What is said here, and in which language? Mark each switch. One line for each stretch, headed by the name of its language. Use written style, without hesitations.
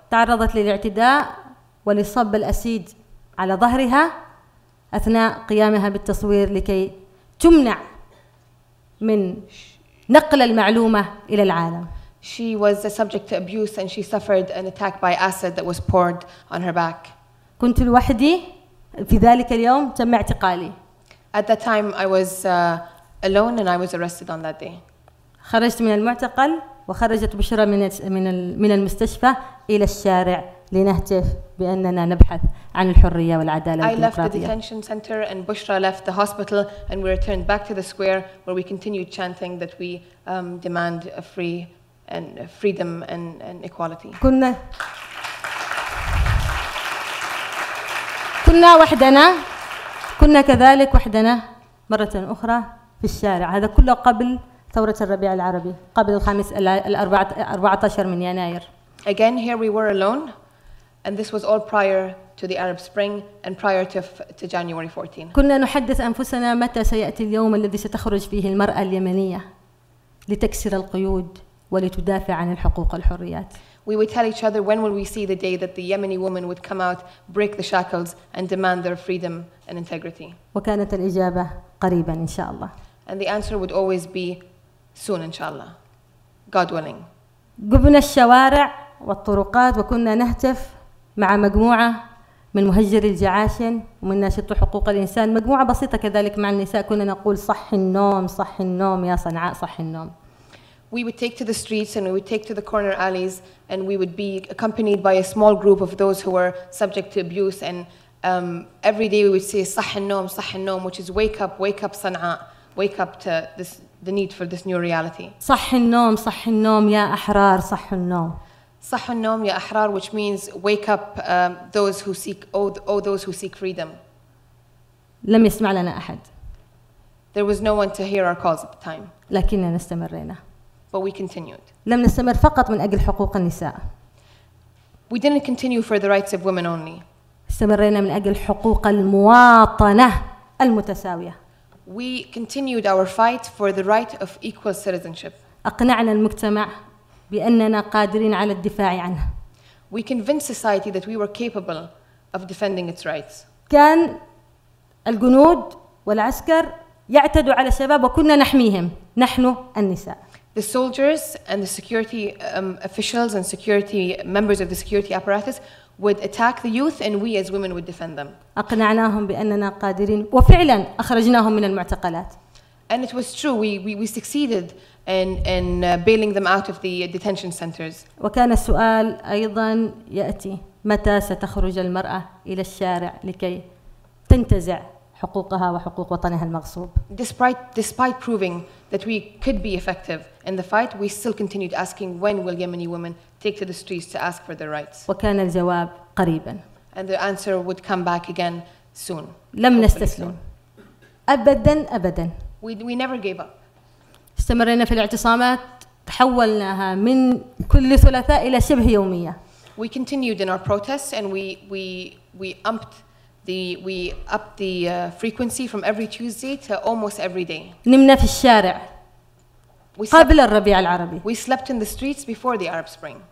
Arabic: تعرضت للاعتداء ولصب الأسيد على ظهرها أثناء قيامها بالتصوير لكي تمنع من نقل المعلومة إلى العالم.
English: She was the subject to abuse and she suffered an attack by acid that was poured on her back.
Arabic: كنت لوحدي في ذلك اليوم تم اعتقالي.
English: At that time, I was alone, and I was arrested on that day.
Arabic: خرجت من المعتقل وخرجت بشرى من المستشفى إلى الشارع لنهتف بأننا نبحث عن الحرية والعدالة والديمقراطية.
English: I left the detention center, and Bushra left the hospital, and we returned back to the square where we continued chanting that we demand a free and freedom and equality.
Arabic: كنا وحدنا. كنا كذلك وحدنا مرة أخرى في الشارع. هذا كله قبل ثورة الربيع العربي، قبل الخامس الأربعة عشر من يناير.
English: Again, here we were alone, and this was all prior to the Arab Spring and prior to January 14.
Arabic: كنا نحدث أنفسنا متى سيأتي اليوم الذي ستخرج فيه المرأة اليمنية لتكسر القيود ولتدافع عن الحقوق والحريات.
English: We would tell each other when will we see the day that the Yemeni woman would come out, break the shackles, and demand their freedom and integrity.
Arabic: وكانت الإجابة قريباً إن شاء الله.
English: And the answer would always be soon, inshallah, God willing.
Arabic: قبنا الشوارع والطرقات وكنا نهتف مع مجموعة من مهجري الجعاشن ومن ناشط حقوق الإنسان. مجموعة بسيطة كذلك مع النساء كنا نقول صح النوم صح النوم يا صنعاء صح النوم.
English: We would take to the streets and we would take to the corner alleys and we would be accompanied by a small group of those who were subject to abuse and every day we would say
Arabic: صح النوم صح النوم,
English: which is wake up صنعاء, wake up to this, the need for this new reality.
Arabic: صح النوم صح النوم يا أحرار صح النوم. صح النوم يا أحرار,
English: which means wake up those who seek those who seek freedom.
Arabic: لم يسمع لنا أحد.
English: There was no one to hear our calls at the time.
Arabic: لكننا نستمرينا.
English: But we continued.
Arabic: لم نستمر فقط من أجل حقوق النساء.
English: We didn't continue for the rights of women only.
Arabic: استمرينا من أجل حقوق المواطنة المتساوية.
English: We continued our fight for the right of equal citizenship.
Arabic: أقنعنا المجتمع بأننا قادرين على الدفاع عنه.
English: We convinced society that we were capable of defending its rights.
Arabic: كان الجنود والعسكر يعتدوا على الشباب وكنا نحميهم نحن النساء.
English: The soldiers and the security officials and security members of the security apparatus would attack the youth, and we as women would defend them.
Arabic: أقنعناهم بأننا قادرين وفعلا أخرجناهم من المعتقلات.
English: And it was true. We succeeded in bailing them out of the detention centers.
Arabic: وكان السؤال أيضا يأتي متى ستخرج المرأة إلى الشارع لكي تنتزع حقوقها وحقوق وطنها المغصوب.
English: Despite proving that we could be effective in the fight, we still continued asking when will Yemeni women take to the streets to ask for their rights.
Arabic: وكان الجواب قريباً.
English: And the answer would come back again soon.
Arabic: لم نستسلم. أبداً أبداً.
English: We never gave up.
Arabic: استمرنا في الاعتصامات تحولناها من كل ثلاثاء إلى شبه يومية.
English: We continued in our protests and we upped the frequency from every Tuesday to almost every day.
Arabic: نمنا في الشارع قبل الربيع العربي. We slept in the streets before the Arab Spring.